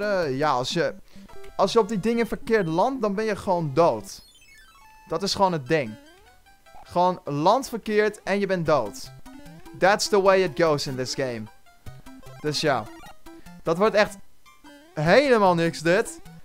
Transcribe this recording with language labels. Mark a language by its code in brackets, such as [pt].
[nl] Ja, als je op die dingen verkeerd landt, dan ben je gewoon dood. Dat is gewoon het ding. Gewoon land verkeerd en je bent dood. [en] That's the way it goes in this game. [nl] Dus ja. Dat wordt echt helemaal niks, dit.